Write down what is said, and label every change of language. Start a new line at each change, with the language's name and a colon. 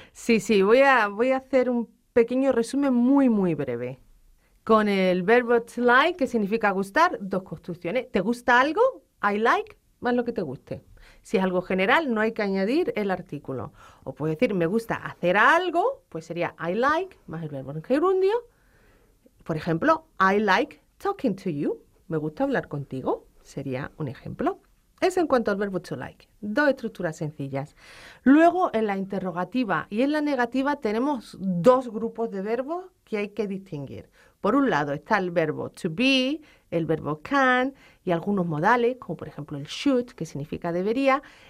Spanish: Sí, voy a hacer un pequeño resumen muy, muy breve. Con el verbo to like, que significa gustar, dos construcciones. ¿Te gusta algo? I like, más lo que te guste. Si es algo general, no hay que añadir el artículo. O puedo decir, me gusta hacer algo, pues sería I like, más el verbo en gerundio. Por ejemplo,
English: I like talking to you.
Spanish: Me gusta hablar contigo, sería un ejemplo. Es en cuanto al verbo to like. Dos estructuras sencillas. Luego, en la interrogativa y en la negativa, tenemos dos grupos de verbos que hay que distinguir. Por un lado está el verbo to be, el verbo can y algunos modales, como por ejemplo el should, que significa debería.